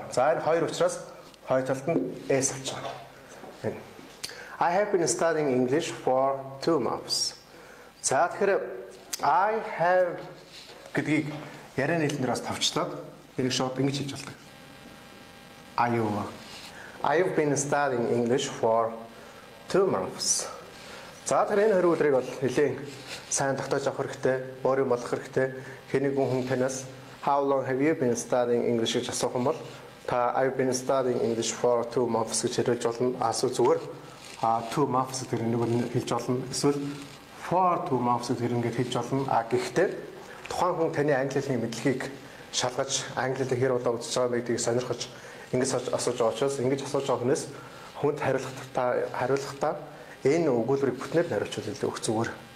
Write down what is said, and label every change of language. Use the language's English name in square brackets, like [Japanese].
[Mongolian] За энэ хоёр учраас хоёр талд нь s авч байгаа. [English] I have been studying English for 2 months. [Mongolian] За тэгэхээр I have гэдгийг ярианы хэлнээр бас товчлоод хэрэг шууд ингэж хэлж болдог. [English] I have been studying English for 2 months. [Mongolian] За тэгэхээр энэ хоёр үгрийг бол хэлийг сайн тогтоож авах хэрэгтэй, өөр юм болох хэрэгтэй. Хэнийг хүн танаас [English] How long have you been studying English [Mongolian] гэж асуух юм бол та [English] I've been studying English for 2 months [Mongolian] гэж хэлж болно. Асуу зүгээр. 2 months гэдэг нэг нь хэлж болно. Эсвэл [English] for 2 months [Mongolian] гэдэг ингэж хэлж болно. Гэхдээ тухайн хүн таны англи хэлний мэдлэгийг шалгаж англи хэл хэр удаа уншиж байгааг нэгдгийг сонирхож ингэж асууж байгаа учраас ингэж асууж байгаа хүнээс хүнд хариулахдаа энэ өгүүлбэрийг бүтнээр нь хариуцуулах хэрэгтэй өгч зүгээр.